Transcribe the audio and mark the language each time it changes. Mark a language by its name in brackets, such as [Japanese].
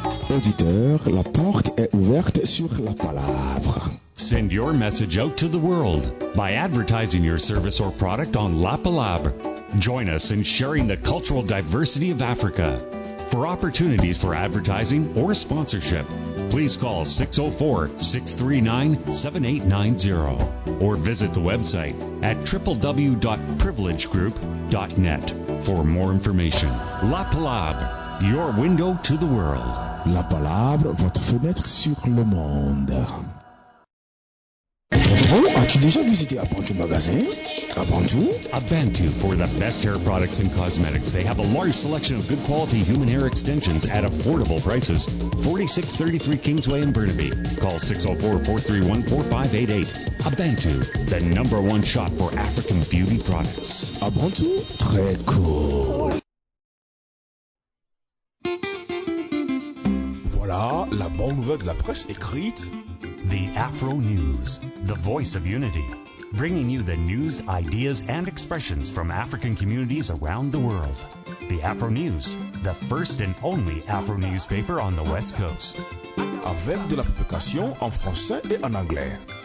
[French] auditeurs, la porte est ouverte sur la palabre. [English] Send your message out to the world by advertising your service or product on La Palabre. Join us in sharing the cultural diversity of Africa. For opportunities for advertising or sponsorship, please call 604-639-7890 or visit the website at www.privilegegroup.net for more information. La Palabre, your window to the world. [French] La Palabre, votre fenêtre sur le monde. As-tu déjà visité Abantu Magasin? Abantu? [English] Abantu for the best hair products and cosmetics. They have a large selection of good quality human hair extensions at affordable prices. 4633 Kingsway in Burnaby. Call 604-431-4588. Abantu, the number one shop for African beauty products. [French] Abantu? Très cool. Voilà la bonne nouvelle de la presse écrite. [English] The Afro News, the voice of unity, bringing you the news, ideas, and expressions from African communities around the world. The Afro News, the first and only Afro newspaper on the West Coast. [French] Avec de la publication en français et en anglais.